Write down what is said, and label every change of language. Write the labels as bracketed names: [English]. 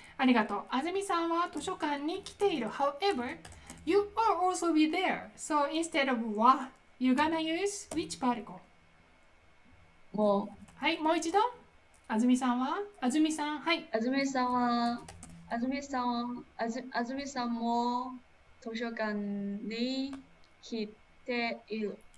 [Japanese] ありがとう。安住さんは図書館に来ている。 [English] However, you are also be there. So instead of wa, you're gonna use which particle? [Japanese] もう。はい、もう一度。安住さんは、安住さん、はい。安住さんも図書館に来ている。